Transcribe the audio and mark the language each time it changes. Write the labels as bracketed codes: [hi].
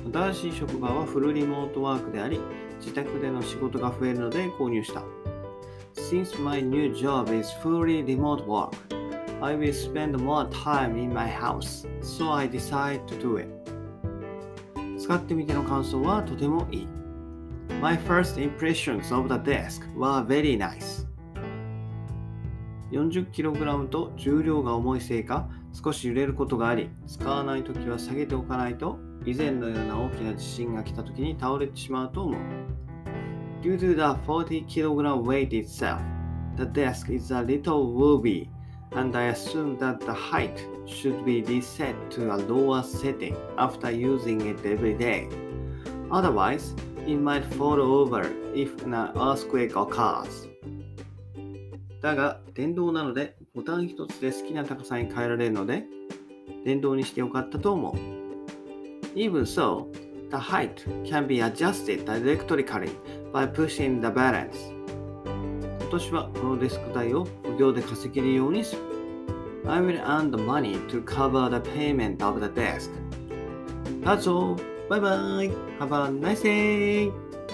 [ja] 新しい職場はフルリモートワークであり、自宅での仕事が増えるので購入した。 [en] Since my new job is fully remote work, I will spend more time in my house, so I decide to do it. [ja] 使ってみての感想はとてもいい。 [en] My first impressions of the desk were very nice. [ja] 40kg と重量が重いせいか少し揺れることがあり、使わないときは下げておかないと、以前のような大きな地震が来たときに倒れてしまうと思う。 [en] Due to the 40kg weight itself, the desk is a little wobbly, and I assume that the height should be reset to a lower setting after using it every day. Otherwise, it might fall over if an earthquake occurs. [ja] だが、電動なのでボタン一つで好きな高さに変えられるので、電動にしてよかったと思う。 [en] Even so, the height can be adjusted electrically by pushing the balance. [ja] 今年はこのデスク代を無料で稼げるようにする。 [en] I will earn the money to cover the payment of the desk. That's all. Bye bye. Have a nice day.